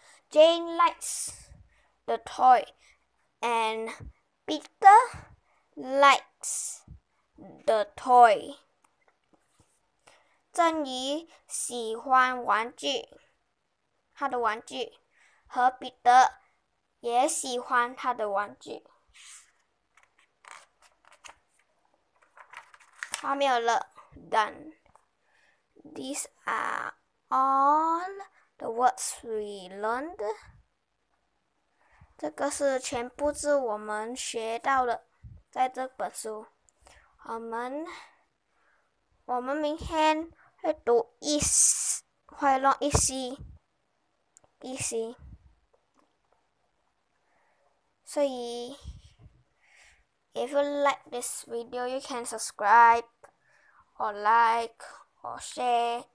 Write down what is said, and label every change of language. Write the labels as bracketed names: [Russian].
[English] Jane likes the toy, and Peter likes the toy. [Chinese] 珍妮喜欢玩具，她的玩具，和彼得也喜欢他的玩具。还没有了， [English] done. These are all the words we learned. [Chinese] 这个是全部字我们学到了，在这本书。我们明天会读一些，会弄一些，一些。所以， [English] if you like this video, you can subscribe or like or share.